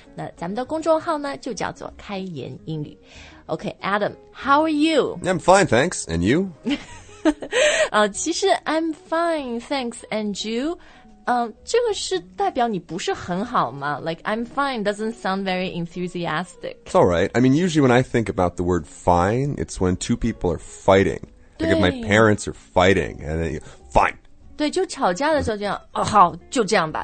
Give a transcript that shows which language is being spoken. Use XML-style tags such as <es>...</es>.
<zh>那咱们的公众号呢就叫做开言英语。</zh> <en>Okay, Adam, how are you? I'm fine, thanks. And you?</en> <zh>其实</zh> <en>I'm fine, thanks. And you?</en> <zh>这个是代表你不是很好吗?</zh> <en>Like, I'm fine doesn't sound very enthusiastic. It's all right. I mean, usually when I think about the word fine, it's when two people are fighting. Like if my parents are fighting, and then you, fine.</en> <zh>对，就吵架的时候就讲，哦，好，就这样吧，</zh>